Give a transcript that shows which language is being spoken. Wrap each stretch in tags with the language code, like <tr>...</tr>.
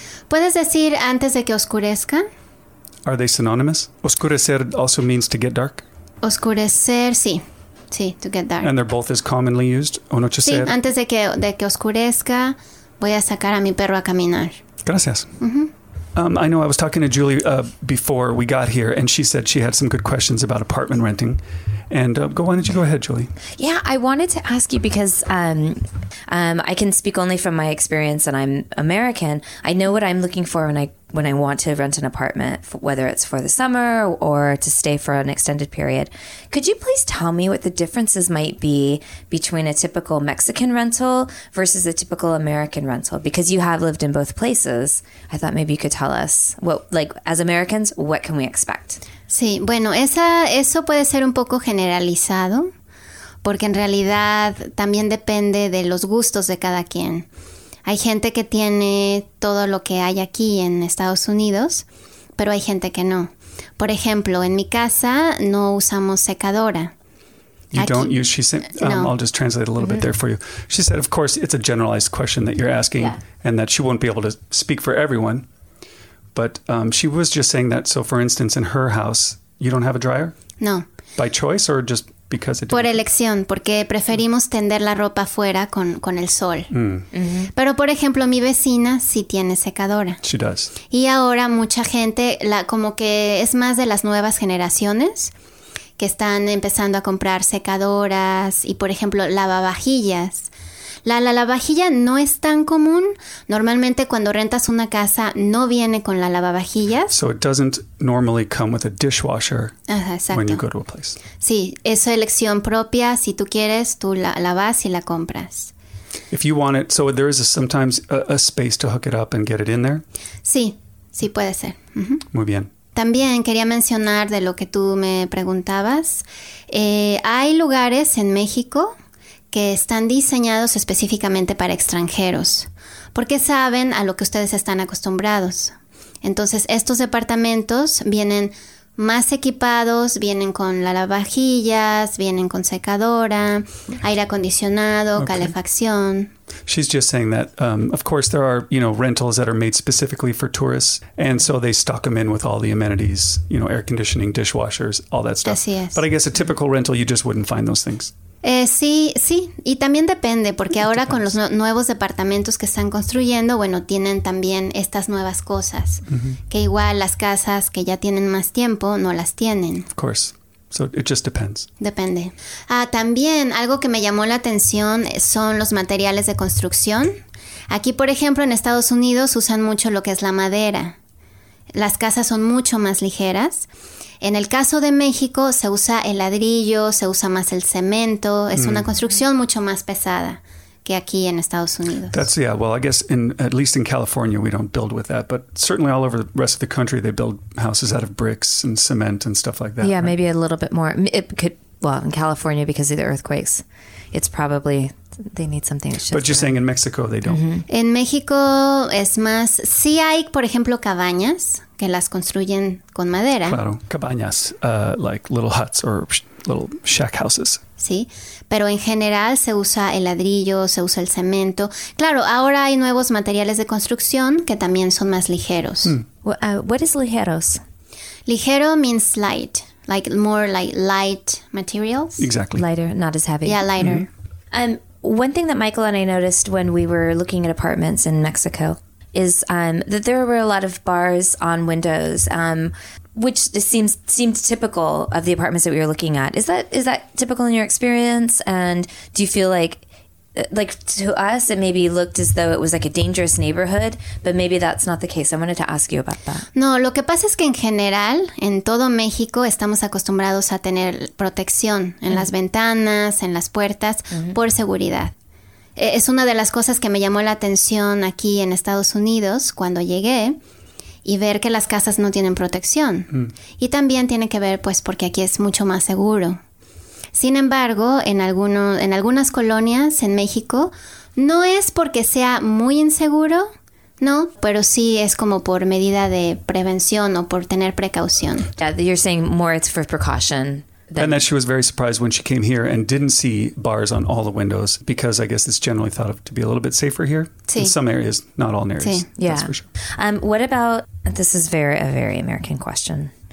<es>¿Puedes decir antes de que oscurezca?</es> <en>Are they synonymous? Oscurecer also means to get dark?</en> <es>Oscurecer, sí. Sí,</es> <en>to get dark. And they're both as commonly used, anochecer.</en> <es>Sí, antes de que oscurezca, voy a sacar a mi perro a caminar. Gracias. Mm-hmm.</es> <en>I know I was talking to Julie before we got here, and she said she had some good questions about apartment renting. And why don't you go ahead, Julie? Yeah, I wanted to ask you because I can speak only from my experience and I'm American. I know what I'm looking for when I when I want to rent an apartment, whether it's for the summer or to stay for an extended period. Could you please tell me what the differences might be between a typical Mexican rental versus a typical American rental? Because you have lived in both places. I thought maybe you could tell us, what, like, as Americans, what can we expect?</en> <es>Sí, bueno, eso puede ser un poco generalizado, porque en realidad también depende de los gustos de cada quien. Hay gente que tiene todo lo que hay aquí en Estados Unidos, pero hay gente que no. Por ejemplo, en mi casa no usamos secadora. No.</es> <en>I'll just translate a little bit there for you. She said, of course, it's a generalized question that you're asking and that she won't be able to speak for everyone. But she was just saying that, so for instance, in her house, you don't have a dryer? No. By choice or just because it Por didn't.</en> <es>Elección, porque preferimos tender la ropa afuera con el sol. Mm. Pero, por ejemplo, mi vecina sí tiene secadora.</es> <en>She does.</en> <es>Y ahora mucha gente, como que es más de las nuevas generaciones que están empezando a comprar secadoras y, por ejemplo, lavavajillas. La lavavajilla no es tan común. Normalmente cuando rentas una casa no viene con la lavavajillas.</es> <en>So it doesn't normally come with a dishwasher when you go to a place.</en> <es>Sí, es elección propia. Si tú quieres, tú la vas y la compras.</es> <en>If you want it, so there is sometimes a space to hook it up and get it in there?</en> <es>Sí, sí puede ser. Uh-huh. Muy bien. También quería mencionar de lo que tú me preguntabas. Hay lugares en México que están diseñados específicamente para extranjeros, porque saben a lo que ustedes están acostumbrados. Entonces, estos departamentos vienen más equipados, vienen con lavavajillas, vienen con secadora, aire acondicionado, okay. Calefacción.</es> <en>She's just saying that, of course, there are, you know, rentals that are made specifically for tourists, and so they stock them in with all the amenities, you know, air conditioning, dishwashers, all that stuff.</en> <es>Así es.</es> <en>But I guess a typical rental, you just wouldn't find those things.</en> <es>Sí, sí. Y también depende, porque ahora con los nuevos departamentos que están construyendo, bueno, tienen también estas nuevas cosas, que igual las casas que ya tienen más tiempo no las tienen.</es> <en>Of course. So it just depends.</en> <es>Depende. También algo que me llamó la atención son los materiales de construcción. Aquí, por ejemplo, en Estados Unidos usan mucho lo que es la madera. Las casas son mucho más ligeras. En el caso de México, se usa el ladrillo, se usa más el cemento. Es una construcción mucho más pesada que aquí en Estados Unidos.</es> <en>That's, yeah, well, I guess at least in California, we don't build with that. But certainly all over the rest of the country, they build houses out of bricks and cement and stuff like that. Yeah, right? Maybe a little bit more. It could, well, in California, because of the earthquakes, it's probably, they need something. But you're saying in Mexico, they don't. Mm-hmm.</en> <es>En México es más, sí hay, por ejemplo, cabañas. Que las construyen con madera.</es> <en>Claro, cabañas, like little huts or little shack houses.</en> <es>Sí, pero en general se usa el ladrillo, se usa el cemento. Claro, ahora hay nuevos materiales de construcción que también son más ligeros.</es> <en>What is ligeros? Ligero means light, like more like light materials. Exactly. Lighter, not as heavy. Yeah, lighter. Mm-hmm. One thing that Michael and I noticed when we were looking at apartments in Mexico is that there were a lot of bars on windows, which seemed typical of the apartments that we were looking at. Is that typical in your experience? And do you feel like to us, it maybe looked as though it was like a dangerous neighborhood, but maybe that's not the case. I wanted to ask you about that.</en> <es>No, lo que pasa es que en general, en todo México, estamos acostumbrados a tener protección en las ventanas, en las puertas, por seguridad. Es una de las cosas que me llamó la atención aquí en Estados Unidos cuando llegué y ver que las casas no tienen protección. Y también tiene que ver, pues, porque aquí es mucho más seguro. Sin embargo, en algunas colonias en México, no es porque sea muy inseguro, no, pero sí es como por medida de prevención o por tener precaución.</es> <en>Yeah, you're saying more it's for precaution. And that she was very surprised when she came here and didn't see bars on all the windows, because I guess it's generally thought of to be a little bit safer here.</en> <es>Sí.</es> <en>In some areas, not all areas.</en> <es>Sí. Yeah.</es> <en>That's for sure. What about, this is a very American question.</en>